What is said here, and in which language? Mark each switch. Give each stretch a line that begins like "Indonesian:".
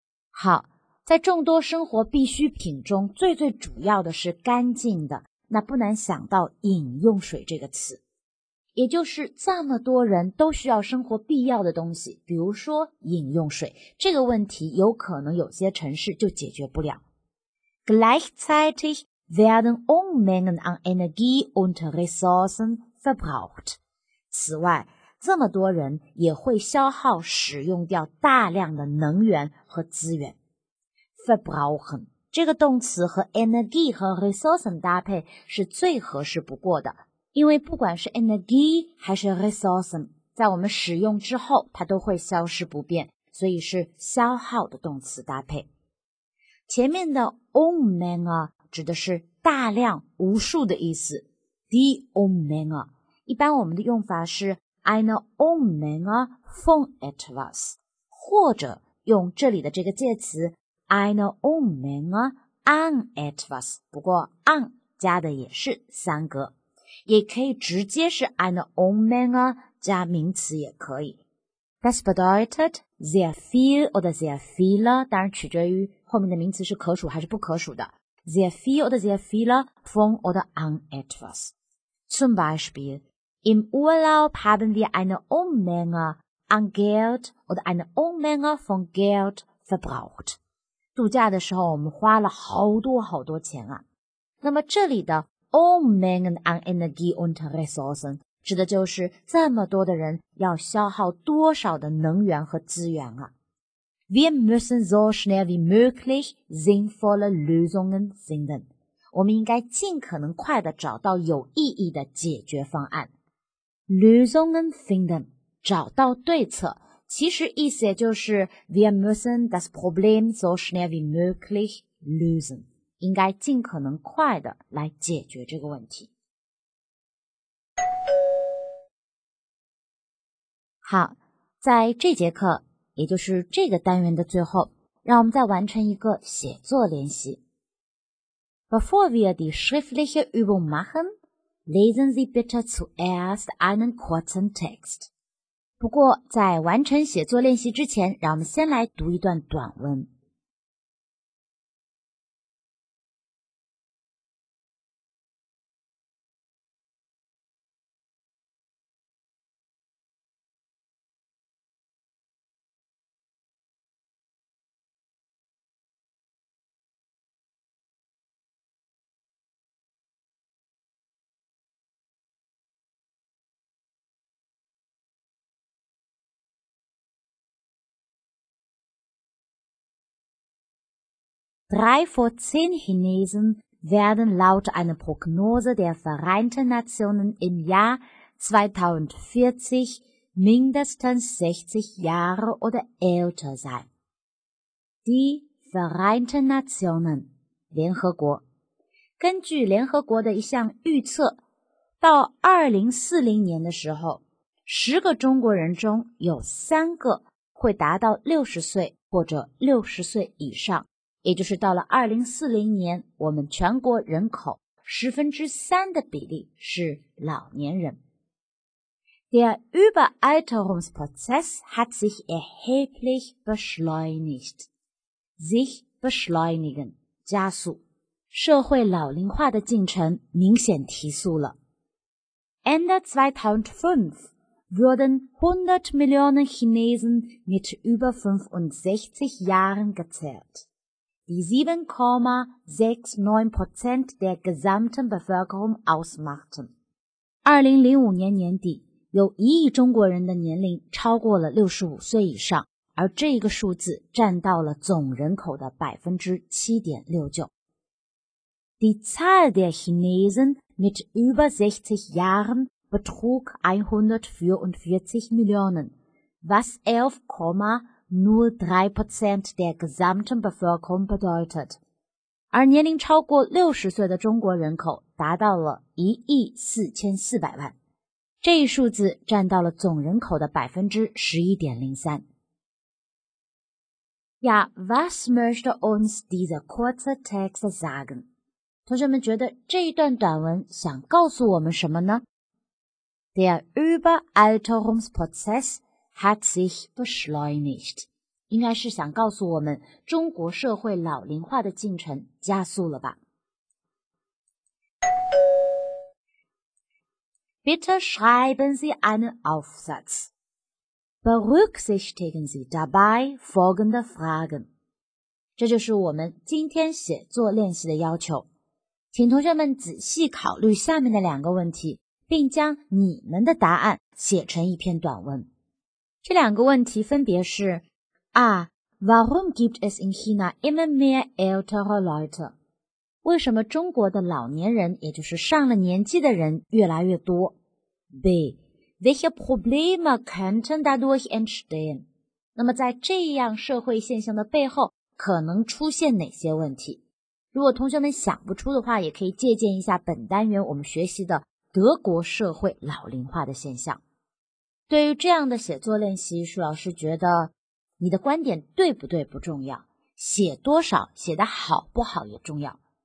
Chinese: 好，在众多生活必需品中最最主要的是干净的，那不难想到饮用水这个词。也就是这么多人都需要生活必要的东西，比如说饮用水，这个问题有可能有些城市就解决不了。
German: Gleichzeitig werden Unmengen an Energie und Ressourcen verbraucht.
Chinese: 此外，这么多人也会消耗使用掉大量的能源和资源。 Verbrauchen 这个动词和 Energie 和 Ressourcen 搭配是最合适不过的，因为不管是 Energie 还是 Ressourcen 在我们使用之后它都会消失不变，所以是消耗的动词搭配。前面的 Unmenge 指的是大量无数的意思， Die Unmenge 一般我们的用法是
German: Eine Unmenge von etwas,
Chinese: 或者用这里的这个介词
German: Eine Unmenge an etwas,
Chinese: 不过 an 加的也是三格，也可以直接是 eine Unmenge 加名词也可以。
German: Das bedeutet sehr viel oder sehr viele,
Chinese: 当然取决于后面的名词是可数还是不可数的。
German: Sehr viel oder sehr viele von oder an etwas. Zum Beispiel, im Urlaub haben wir eine Unmenge an Geld oder eine Unmenge von Geld verbraucht.
Chinese: 度假的时候我们花了好多好多钱啊。那么这里的
German: Unmengen an Energie und Ressourcen
Chinese: 指的就是这么多的人要消耗多少的能源和资源啊。
German: Wir müssen so schnell wie möglich sinnvolle Lösungen finden.
Chinese: 我们应该尽可能快地找到有意义的解决方案。
German: Lösungen finden,
Chinese: 找到对策。其实意思也就是
German: Wir müssen das Problem so schnell wie möglich lösen,
Chinese: 应该尽可能快的来解决这个问题。好，在这节课也就是这个单元的最后，让我们再完成一个写作练习。
German: Bevor wir die schriftliche Übung machen, lesen Sie bitte zuerst einen kurzen Text.
Chinese: 不过在完成写作练习之前，让我们先来读一段短文。
German: Drei vor zehn Chinesen werden laut einer Prognose der Vereinten Nationen im Jahr 2040 mindestens 60 Jahre oder älter sein. Die Vereinten Nationen,
Chinese: 联合国。根据联合国的一项预测，到2040年的时候，十个中国人中有三个会达到60岁或者60岁以上。也就是到了2040年，我们全国人口十分之三的比例是老年人。
German: Der Überalterungsprozess hat sich erheblich beschleunigt. Sich beschleunigen,
Chinese: 加速。社会老龄化的进程明显提速了。
German: Ende 2005 wurden 100 Millionen Chinesen mit über 65 Jahren gezählt. Die 7,69% der gesamten Bevölkerung ausmachten.
Chinese: 2005年年底，有一亿中国人的年龄超过了65岁以上，而这个数字占到了总人口的 7.69%.
German: Die Zahl der Chinesen mit über 60 Jahren betrug 144 Millionen, was 11,69% nur 3% der gesamten Bevölkerung bedeutet.
Chinese: 而年龄超过60岁的中国人口达到了1.44亿。这一数字占到了总人口的 11.03%。
German: Ja, was möchte uns dieser kurze Text sagen?
Chinese: 同学们觉得这一段短文想告诉我们什么呢?
German: Der Überalterungsprozess hat sich beschleunigt.
Chinese: 应该是想告诉我们中国社会老龄化的进程加速了吧。
German: Bitte schreiben Sie einen Aufsatz. Berücksichtigen Sie dabei folgende Fragen.
Chinese: 这就是我们今天写作练习的要求。请同学们仔细考虑下面的两个问题，并将你们的答案写成一篇短文。这两个问题分别是 A.
German: Warum gibt es in China immer mehr ältere Leute?
Chinese: 为什么中国的老年人，也就是上了年纪的人越来越多？ B.
German: Welche Probleme könnten dadurch entstehen?
Chinese: 那么在这样社会现象的背后可能出现哪些问题？如果同学们想不出的话，也可以借鉴一下本单元我们学习的德国社会老龄化的现象。对于这样的写作练习，舒老师觉得你的观点对不对不重要，写多少，写得好不好也重要。